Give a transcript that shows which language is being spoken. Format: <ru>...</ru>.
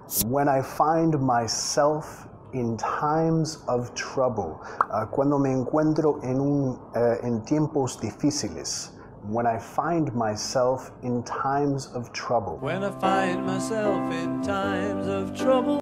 <en>When I find myself in times of trouble.</en> <es>Cuando me encuentro en tiempos difíciles.</es> <en>When I find myself in times of trouble. When I find myself in times of trouble.</en>